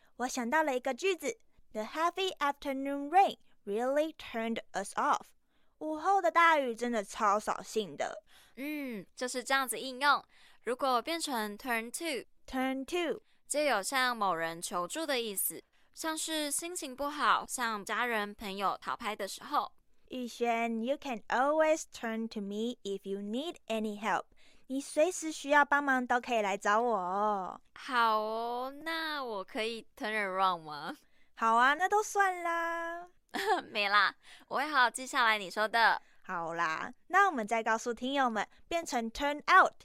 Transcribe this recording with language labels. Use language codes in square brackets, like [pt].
[zh] 我想到了一个句子， [en] The heavy afternoon rain really turned us off. [zh] 午后的大雨真的超扫兴的。嗯，就是这样子应用。如果变成 turn to 就有向某人求助的意思，像是心情不好向家人朋友讨拍的时候。 [en] 宇轩， You can always turn to me if you need any help. [zh] 你随时需要帮忙都可以来找我哦。好哦，那我可以 turn around 吗？好啊，那都算啦。没啦，我会好好记下来你说的。好啦，那我们再告诉听友们，变成 turn out，